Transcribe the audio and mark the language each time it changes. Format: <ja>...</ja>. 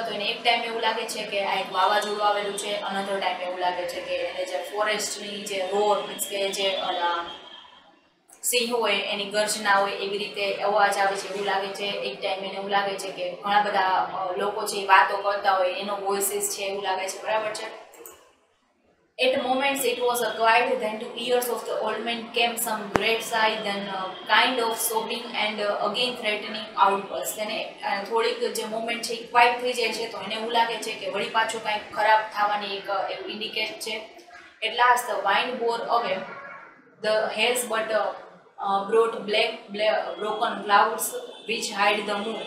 <gu>તો એને એક ટાઈમ એવું લાગે છે કે આ એક વાવાઝોડું આવેલું છે, અનધર ટાઈમ એવું લાગે છે કે એને જે ફોરેસ્ટની જે રોર મીન્સ કે જે સિંહ હોય એની ગર્જના હોય એવી રીતે અવાજ આવે છે એવું લાગે છે. એક ટાઈમ એને એવું લાગે છે કે ઘણા બધા લોકો છે એ વાતો કરતા હોય એનો વોઇસીસ છે એવું લાગે છે બરાબર છે.</gu> <en>At moments it was quiet, then to ears of the old man came some great sigh, then kind of sobbing and again threatening outburst.</en> <gu>Then થોડીક જે મોમેન્ટ છે એ ક્વાઇટ થઈ જાય છે તો એને એવું લાગે છે કે વળી પાછું કંઈક ખરાબ થવાની એક ઇન્ડિકેટ છે.</gu> <en>At last the wind bore away the haze but brought black broken clouds which hide the moon.</en>